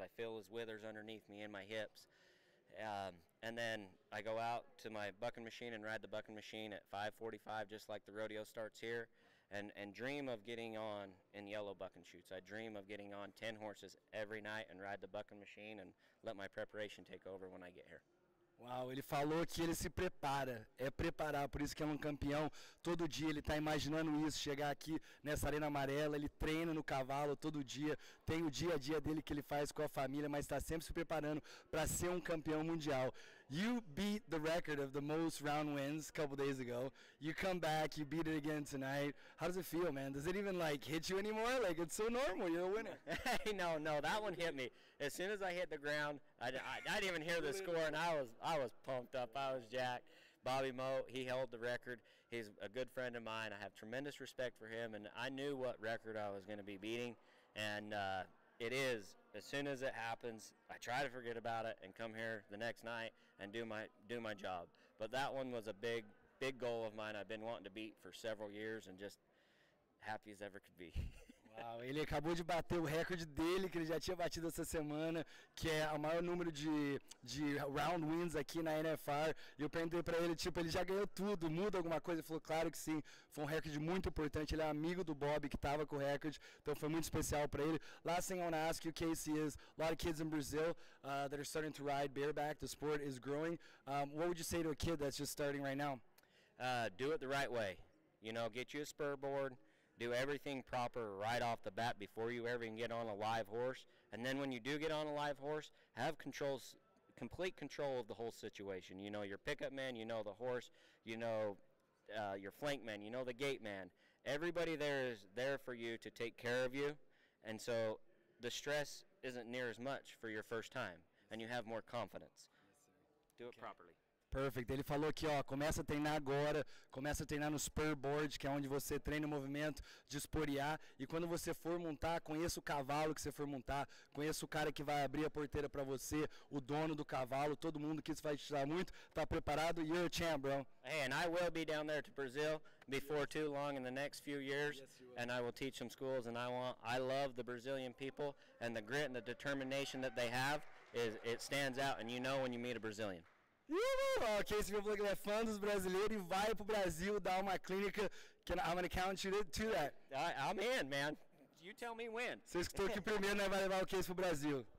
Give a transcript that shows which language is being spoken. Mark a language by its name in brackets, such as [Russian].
[English] I feel his withers underneath me and my hips. And then I go out to my bucking machine and ride the bucking machine at 5:45, just like the rodeo starts here, and dream of getting on in yellow bucking chutes. I dream of getting on 10 horses every night and ride the bucking machine and let my preparation take over when I get here. [Portuguese] Uau, ele falou que ele se prepara, é preparar, por isso que é um campeão. Todo dia ele está imaginando isso, chegar aqui nessa arena amarela, ele treina no cavalo todo dia, tem o dia a dia dele que ele faz com a família, mas está sempre se preparando para ser um campeão mundial. [English] You beat the record of the most round wins a couple days ago. You come back, you beat it again tonight. How does it feel, man? Does it even like hit you anymore? Like, it's so normal, you're a winner. Hey, no, that one hit me. As soon as I hit the ground, I didn't even hear the score and I was pumped up. I was jacked. Bobby Moe, he held the record. He's a good friend of mine. I have tremendous respect for him, and I knew what record I was going to be beating, and it is. As soon as it happens, I try to forget about it and come here the next night and do my job. But that one was a big goal of mine I've been wanting to beat for several years, and just happy as ever could be. [Portuguese] Uau, ele acabou de bater o recorde dele, que ele já tinha batido essa semana, que é o maior número de round wins aqui na NFR. E eu perguntei pra ele, tipo, ele já ganhou tudo, muda alguma coisa? Ele falou, claro que sim, foi um recorde muito importante. Ele é amigo do Bob, que tava com o recorde, então foi muito especial pra ele. [English] Last thing I want to ask you, Kaycee, is a lot of kids in Brazil that are starting to ride bareback, the sport is growing. What would you say to a kid that's just starting right now? Do it the right way. You know, get you a spur board. Do everything proper right off the bat before you ever even get on a live horse. And then when you do get on a live horse, have controls, complete control of the whole situation. You know your pickup man, you know the horse, you know your flank man, you know the gate man. Everybody there is there for you to take care of you. And so the stress isn't near as much for your first time. And you have more confidence. Yes, sir. Do it properly. Perfect. [Portuguese] Ele falou que, ó, começa a treinar agora, começa a treinar no spur board, que é onde você treina o movimento de esporear, e quando você for montar, conheça o cavalo que você for montar, conheça o cara que vai abrir a porteira pra você, o dono do cavalo, todo mundo que isso vai te ajudar muito, tá preparado? [English] You're a champ, bro. Hey, and I will be down there to Brazil before too long in the next few years, and I will teach some schools, and I love the Brazilian people, and the grit and the determination that they have, it stands out, and you know when you meet a Brazilian. [Portuguese] Kaycee falou que ele é fã dos brasileiros e vai pro Brasil dar uma clínica. [English] I'm gonna count you to that. I'm in, man. You tell me when. [Portuguese] Você escutou que primeiro, né, vai levar o Kaycee pro Brasil.